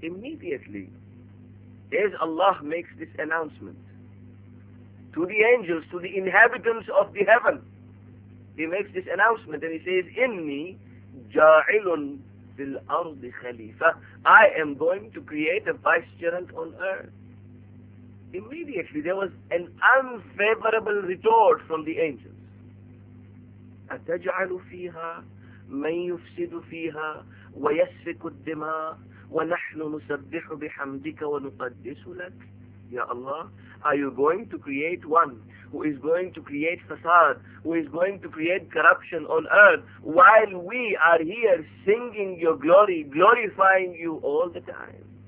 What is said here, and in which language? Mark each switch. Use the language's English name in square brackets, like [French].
[English] Immediately, as Allah makes this announcement to the angels, to the inhabitants of the heaven, He makes this announcement and He says, [Arabic] Inni ja'ilun fil ardi khalifa. [English] I am going to create a vicegerent on earth. Immediately, there was an unfavorable retort from the angels. [Arabic] أتجعل فيها من يفسد فيها ويسفك الدماء ونحن نسبح بحمدك ونقدس لك. [English] يا الله, are you going to create one who is going to create fasad, who is going to create corruption on earth while we are here singing your glory, glorifying you all the time?